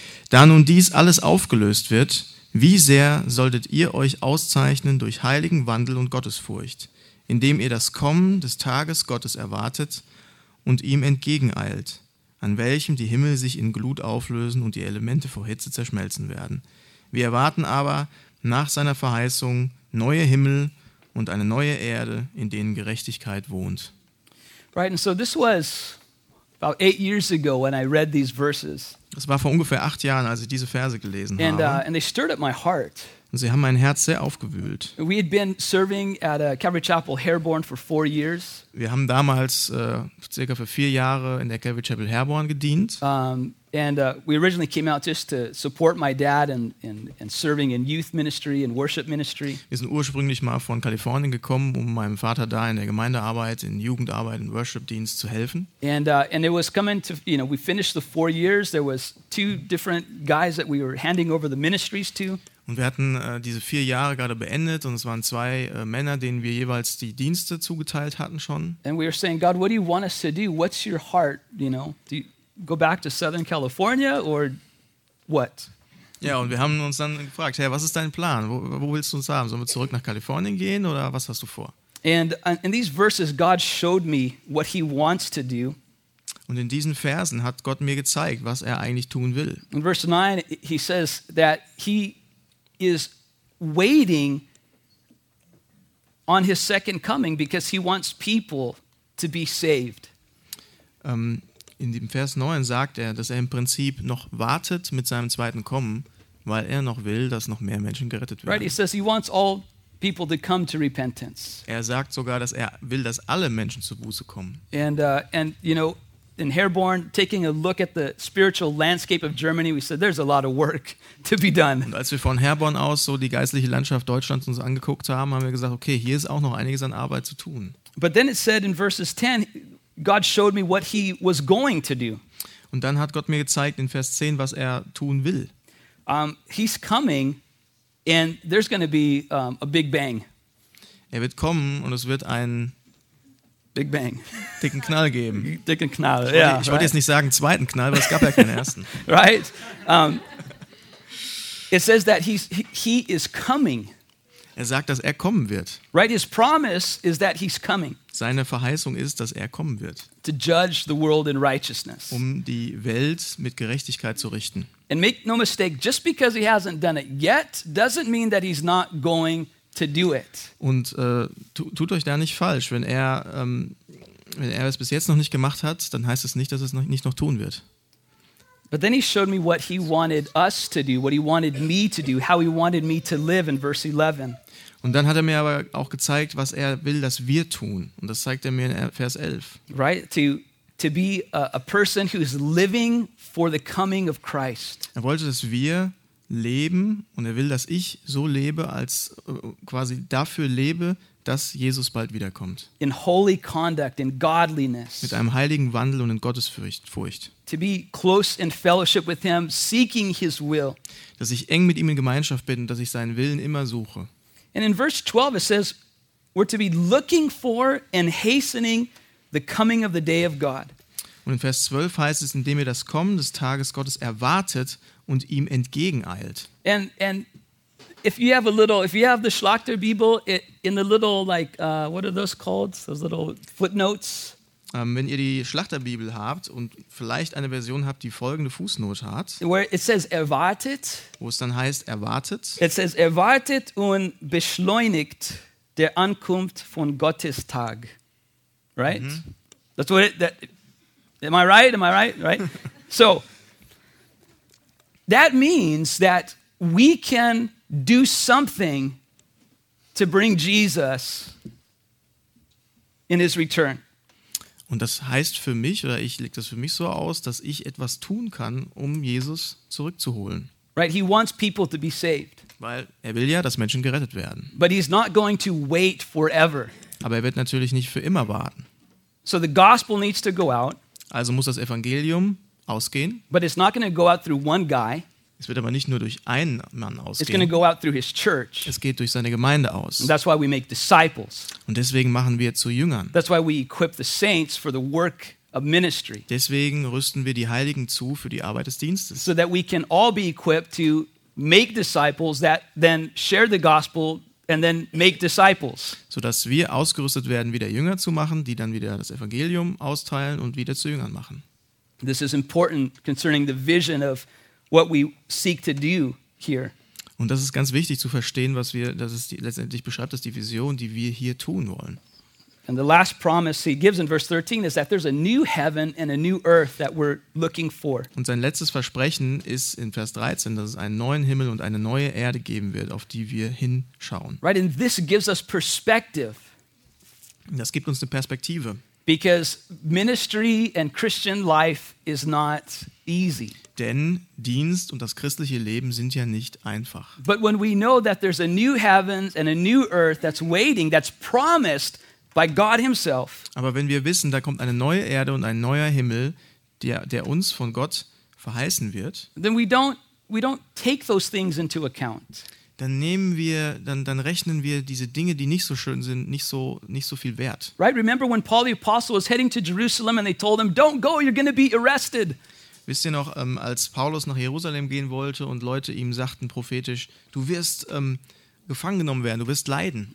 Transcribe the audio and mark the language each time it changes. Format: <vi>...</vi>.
<de>Da nun dies alles aufgelöst wird, wie sehr solltet ihr euch auszeichnen durch heiligen Wandel und Gottesfurcht, indem ihr das Kommen des Tages Gottes erwartet und ihm entgegeneilt, an welchem die Himmel sich in Glut auflösen und die Elemente vor Hitze zerschmelzen werden. Wir erwarten aber nach seiner Verheißung neue Himmel und eine neue Erde, in denen Gerechtigkeit wohnt.</de> <en>Right, and so this was about 8 years ago when I read these verses.</en> <de>Das war vor ungefähr 8 Jahren, als ich diese Verse gelesen</de> <en>and,</en> <de>habe.</de> <en>And they stirred up my heart.</en> <de>Und sie haben mein Herz sehr aufgewühlt.</de> <en>We had been serving at a Calvary Chapel Herborn for 4 years.</en> <de>Wir haben damals circa für 4 Jahre in der Calvary Chapel Herborn gedient.</de> <en>We originally came out just to support my dad and serving in youth ministry and worship ministry.</en> <de>Wir sind ursprünglich mal von Kalifornien gekommen, um meinem Vater da in der Gemeindearbeit, in Jugendarbeit, in Worship-Dienst zu helfen.</de> <en>And it was coming to, you know, we finished the 4 years. There was 2 different guys that we were handing over the ministries to.</en> <de>Und wir hatten diese 4 Jahre gerade beendet, und es waren 2 Männer, denen wir jeweils die Dienste zugeteilt hatten schon.</de> <en>And we were saying, God, what do you want us to do? What's your heart, you know? Do you go back to Southern California or what?</en> <de>Ja, und wir haben uns dann gefragt, hey, was ist dein Plan? Wo willst du uns haben? Sollen wir zurück nach Kalifornien gehen oder was hast du vor?</de> <en>And in these verses, God showed me what he wants to do.</en> <de>Und in diesen Versen hat Gott mir gezeigt, was er eigentlich tun will.</de> <en>In verse 9, he says that he is waiting on his second coming because he wants people to be saved.</en> <de>In dem Vers 9 sagt er, dass er im Prinzip noch wartet mit seinem zweiten Kommen, weil er noch will, dass noch mehr Menschen gerettet werden.</de> <en>Right, he says he wants all people to come to repentance.</en> <de>Er sagt sogar, dass er will, dass alle Menschen zur Buße kommen.</de> <en>And you know, in Herborn, taking a look at the spiritual landscape of Germany, we said, there's a lot of work to be done.</en> <de>Und als wir von Herborn aus so die geistliche Landschaft Deutschlands uns angeguckt haben, haben wir gesagt, okay, hier ist auch noch einiges an Arbeit zu tun.</de> <en>But then it said in verses 10, God showed me what he was going to do.</en> <de>Und dann hat Gott mir gezeigt in Vers 10, was er tun will.</de> <en>He's coming and there's going to be a big bang.</en> <de>Er wird kommen und es wird ein</de> <en>Big Bang.</en> <de>Dicken Knall geben. Dicken Knall, ja. Ich wollte jetzt nicht sagen zweiten Knall, weil es gab ja keinen ersten.</de> <en>Right? It says that he is coming.</en> <de>Er sagt, dass er kommen wird.</de> <en>Right, his promise is that he's coming.</en> <de>Seine Verheißung ist, dass er kommen wird.</de> <en>To judge the world in righteousness.</en> <de>Um die Welt mit Gerechtigkeit zu richten.</de> <en>And make no mistake, just because he hasn't done it yet, doesn't mean that he's not going to do it.</en> <de>Und tut euch da nicht falsch, wenn er es bis jetzt noch nicht gemacht hat, dann heißt es nicht, dass er es nicht noch tun wird.</de> <en>But then he showed me what he wanted us to do, what he wanted me to do, how he wanted me to live in verse 11.</en> <de>Und dann hat er mir aber auch gezeigt, was er will, dass wir tun. Und das zeigt er mir in Vers 11.</de> <en>Right? To be a person who is living for the coming of Christ.</en> <de>Er wollte, dass wir leben und er will, dass ich so lebe, als quasi dafür lebe, dass Jesus bald wiederkommt.</de> <en>In holy conduct, in godliness.</en> <de>Mit einem heiligen Wandel und in Gottesfurcht.</de> <en>To be close in fellowship with him, seeking his will.</en> <de>Dass ich eng mit ihm in Gemeinschaft bin, dass ich seinen Willen immer suche.</de> <en>And in verse 12 it says, we're to be looking for and hastening the coming of the day of God.</en> <de>Und in Vers 12 heißt es, indem ihr das Kommen des Tages Gottes erwartet und ihm entgegeneilt.</de> <en>And if you have a little, if you have the Schlachter Bible, in the little like, what are those called? Those little footnotes.</en> <de>Wenn ihr die Schlachterbibel habt und vielleicht eine Version habt, die folgende Fußnote hat,</de> <en>where it says erwartet,</en> <de>wo es dann heißt erwartet,</de> <en>it says</en> <de>erwartet und beschleunigt der Ankunft von Gottes Tag,</de> <en>right? Mm-hmm. That's what it, that, am I right? Am I right? Right? So that means that we can do something to bring Jesus in his return.</en> <de>Und das heißt für mich, oder ich lege das für mich so aus, dass ich etwas tun kann, um Jesus zurückzuholen.</de> <en>Right, he wants people to be saved.</en> <de>Weil er will ja, dass Menschen gerettet werden.</de> <en>But he's not going to wait forever.</en> <de>Aber er wird natürlich nicht für immer warten.</de> <en>So the gospel needs to go out.</en> <de>Also muss das Evangelium ausgehen.</de> <en>But it's not going to go out through one guy.</en> <de>Es wird aber nicht nur durch einen Mann ausgehen.</de> <en>It's going to go out through his church.</en> <de>Es geht durch seine Gemeinde aus.</de> <en>And that's why we make disciples.</en> <de>Und deswegen machen wir zu Jüngern.</de> <en>That's why we equip the saints for the work of ministry.</en> <de>Deswegen rüsten wir die Heiligen zu für die Arbeit des Dienstes.</de> <en>So that we can all be equipped to make disciples that then share the gospel and then make disciples.</en> <de>So dass wir ausgerüstet werden, wieder Jünger zu machen, die dann wieder das Evangelium austeilen und wieder zu Jüngern machen.</de> <en>This is important concerning the vision of what we seek to do here.</en> <de>Und das ist ganz wichtig zu verstehen, was wir, das ist die, letztendlich beschreibt das die Vision, die wir hier tun wollen.</de> <en>And the last promise he gives in verse 13 is that there's a new heaven and a new earth that we're looking for.</en> <de>Und sein letztes Versprechen ist in Vers 13, dass es einen neuen Himmel und eine neue Erde geben wird, auf die wir hinschauen.</de> <en>Right, and this gives us perspective.</en> <de>Das gibt uns eine Perspektive.</de> <en>Because ministry and Christian life is not easy.</en> <de>Denn Dienst und das christliche Leben sind ja nicht einfach.</de> <en>But when we know that there's a new heavens and a new earth that's waiting, that's promised by God himself.</en> <de>Aber wenn wir wissen, da kommt eine neue Erde und ein neuer Himmel, der uns von Gott verheißen wird.</de> <en>Then we don't take those things into account.</en> <de>Dann rechnen wir diese Dinge, die nicht so schön sind, nicht so viel wert.</de> <en>Right, remember when Paul the apostle was heading to Jerusalem and they told him, "Don't go, you're going to be arrested."</en> <de>Wisst ihr noch, als Paulus nach Jerusalem gehen wollte und Leute ihm sagten prophetisch, du wirst gefangen genommen werden, du wirst leiden.</de>